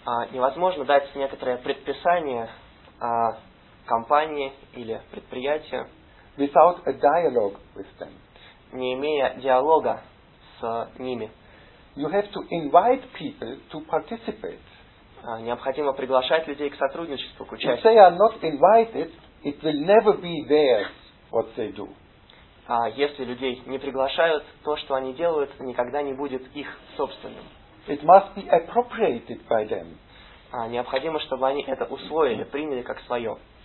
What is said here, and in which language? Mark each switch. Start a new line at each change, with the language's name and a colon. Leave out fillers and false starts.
Russian: Невозможно дать некоторое предписание компании или предприятия,
English: without a dialogue with them,
Russian: не имея диалога с ними,
English: you have to invite people to participate.
Russian: Необходимо приглашать людей к сотрудничеству, к участию.
English: If they are not invited, it will never be theirs what they do.
Russian: А если людей не приглашают, то, что они делают, никогда не будет их собственным.
English: It must be appropriated by them.
Russian: Необходимо, чтобы они это усвоили, приняли как свое.